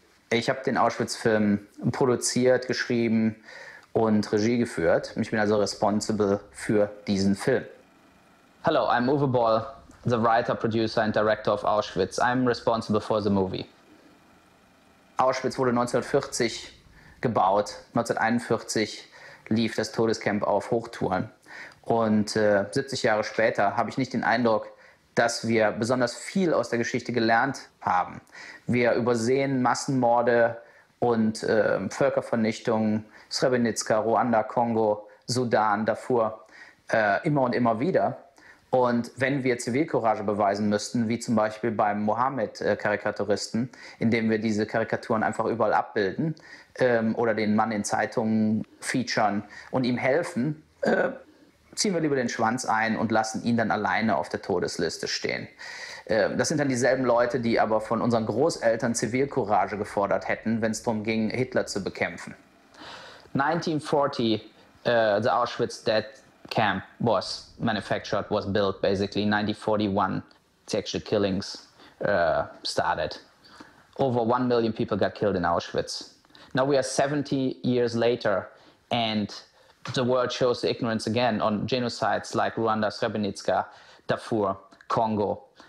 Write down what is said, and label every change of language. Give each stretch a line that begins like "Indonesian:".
German: Ich habe den Auschwitz-Film produziert, geschrieben und Regie geführt. Ich bin also responsible für diesen Film.
English: Hallo, I'm Uwe Boll, the writer, producer and director of Auschwitz. I'm responsible for the movie.
German: Auschwitz wurde 1940 gebaut. 1941 lief das Todescamp auf Hochtouren. Und 70 Jahre später habe ich nicht den Eindruck, dass wir besonders viel aus der Geschichte gelernt haben. Wir übersehen Massenmorde und Völkervernichtungen, Srebrenica, Ruanda, Kongo, Sudan, Darfur, immer und immer wieder. Und wenn wir Zivilcourage beweisen müssten, wie zum Beispiel beim Mohammed-Karikaturisten, indem wir diese Karikaturen einfach überall abbilden oder den Mann in Zeitungen featuren und ihm helfen, ziehen wir lieber den Schwanz ein und lassen ihn dann alleine auf der Todesliste stehen. Das sind dann dieselben Leute, die aber von unseren Großeltern Zivilcourage gefordert hätten, wenn es darum ging, Hitler zu bekämpfen.
English: 1940, the Auschwitz Death Camp was manufactured, was built basically. 1941, the actual killings started. Over 1 million people got killed in Auschwitz. Now we are 70 years later and the world shows the ignorance again on genocides like Rwanda, Srebrenica, Darfur, Congo.